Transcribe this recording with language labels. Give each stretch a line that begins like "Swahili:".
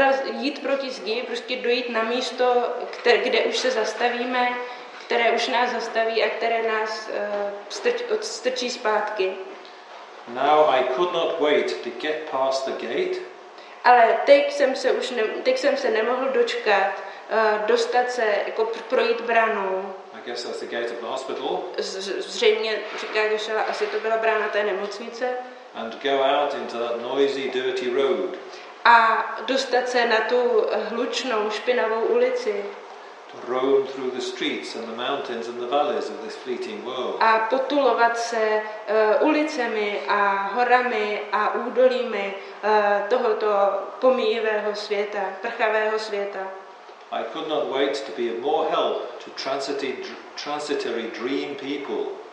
Czech: Jít proti zdi, prostě dojít na místo, kde už se zastavíme, které už nás zastaví a které nás odstrčí zpátky.
English: Now I could not wait to get past the gate.
Czech: Ale teď jsem se nemohl dočkat dostat se, jako projít branou.
English: I guess that's the gate of the hospital.
Czech: Zřejmě, říká Gašela, asi to byla brána té nemocnice.
English: And go out into that noisy, dirty road.
Czech: A dostat se na tu hlučnou, špinavou ulici.
English: To roam through the streets and the mountains and the valleys of this fleeting world.
Czech: A potulovat se ulicemi a horami a údolími tohoto pomíjivého světa, prchavého světa.
English: I could not wait to be of more help to transitory dream people.